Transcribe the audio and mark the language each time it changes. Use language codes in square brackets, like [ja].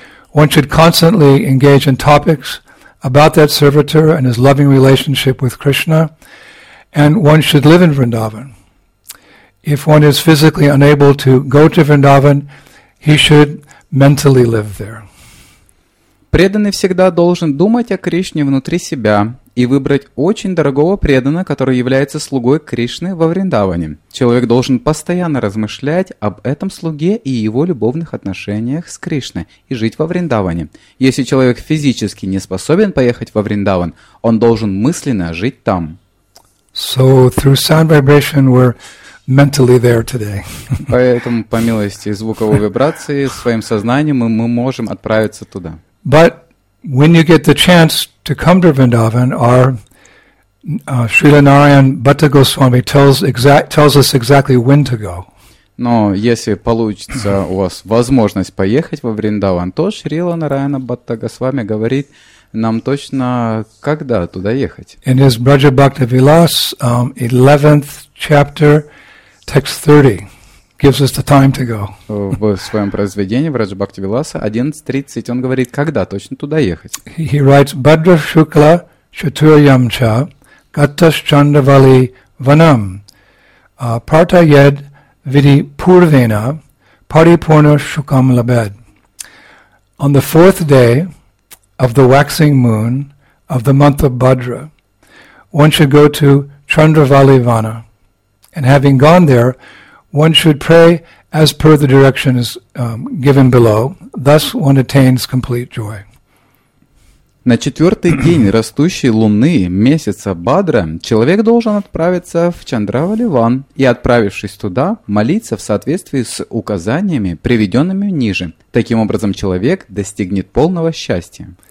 [en] One should constantly engage in topics about that servitor and his loving relationship with Krishna, and one should live in Vrindavan. If one is physically unable to go to Vrindavan, he should mentally live there. [ru] Преданный всегда должен думать о Кришне внутри себя и выбрать очень дорогого преданного, который является слугой Кришны во Вриндаване. Человек должен постоянно размышлять об этом слуге и его любовных отношениях с Кришной и жить во Вриндаване. Если человек физически не способен поехать во Вриндаван, он должен мысленно жить там. [en] So, through sound vibration, we're mentally there today. [ru] Поэтому, по милости звуковой вибрации, своим сознанием мы можем отправиться туда. [en] But when you get the chance to come to Vrindavan, our Srila Narayan Bhatta Goswami tells us exactly when to go. [ru] Но если получится у вас возможность поехать во Вриндаван, то Шрила Нараяна Бхатта Госвами говорит нам точно, когда туда ехать. [en] In his Braja Bhakta Vilas, 11th chapter, text 30. Gives us the time to go. [ru] В своем произведении в Раджа Бхакти Виласа 11.30 он говорит, когда точно туда ехать. [en] He writes, [sa] Бадра Шукла Чатурьям Ча Гаттас Чандравали Ванам Прата Йед Види Пурвена Парипурна Шукам Лабед. [en] On the fourth day of the waxing moon of the month of Бадра, one should go to Чандравали Вана. And having gone there, one should pray as per the directions given below. Thus one attains complete joy. [ru] На четвертый день растущей луны месяца Бадра человек должен отправиться в Чандравали Ван и, отправившись туда, молиться в соответствии с указаниями, приведенными ниже. Таким образом, человек достигнет полного счастья.